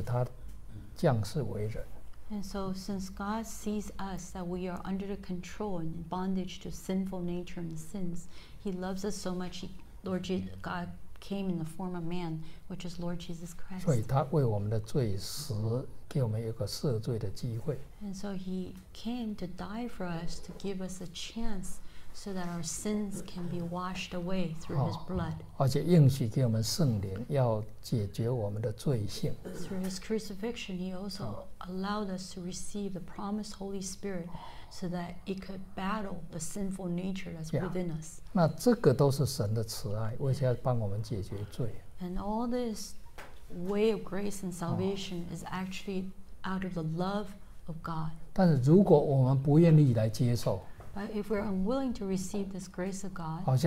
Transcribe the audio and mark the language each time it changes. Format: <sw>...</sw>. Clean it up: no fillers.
<zh>那神看我们活在这个罪性的控制，不断犯罪，所以他很怜悯我们，因此他降世为人。</zh> <en>And so since God sees us that we are under the control and bondage to sinful nature and sins, He loves us so much, Lord God, came in the form of man, which is Lord Jesus Christ.</en> <zh>所以他为我们的罪死，给我们一个赦罪的机会。</zh> <en>And so he came to die for us, to give us a chance so that our sins can be washed away through his blood.</en> <zh>而且应许给我们圣灵，要解决我们的罪性。</zh> <en>Through his crucifixion, he also allowed us to receive the promised Holy Spirit so that it could battle the sinful nature that's within us.</en> <zh>那这个都是神的慈爱，为了要帮我们解决罪。</zh> <en>And all this way of grace and salvation is actually out of the love of God.</en> <zh>但是如果我们不愿意来接受,</zh> <en>But if we're unwilling to receive this grace of God,</en>